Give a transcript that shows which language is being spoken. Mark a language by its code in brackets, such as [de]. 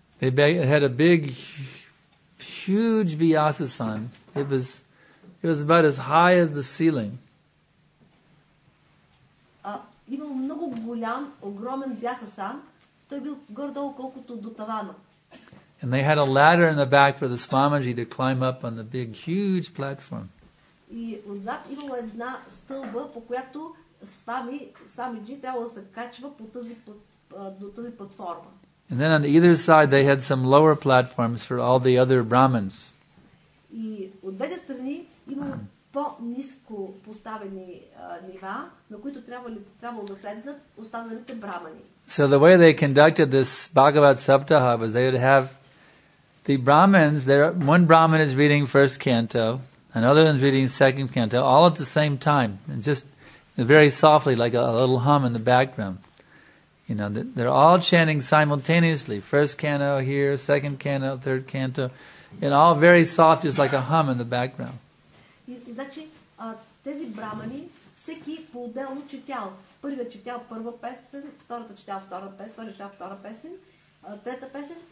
[en] They had a big, huge Vyasasan. It was about as high as the ceiling. [bg] Имал много голям, огромен Vyasasan. Той бил горе-долу колкото до тавана. [en] And they had a ladder in the back for the Swamiji to climb up on the big, huge platform. [bg] И отзад имала една стълба, по която Свамиджи трябва да се качва до тази платформа. [en] And then on either side they had some lower platforms for all the other Brahmins. [bg] И от двете страни има по-ниско поставени нива, на които трябвало да седнат останалите брамани. [en] So the way they conducted this Bhagavat Saptaha was they would have the Brahmins, there one Brahmin is reading first canto, another one's reading second canto, all at the same time, and just very softly, like a little hum in the background. You know, they're all chanting simultaneously. First canto here, second canto, third canto. And all very soft, just like a hum in the background. [bg] Значи, тези брамани, всеки по-отделно четял. Първият четял първа песен, втората четял втора песен, втората четял втора песен, трета песен.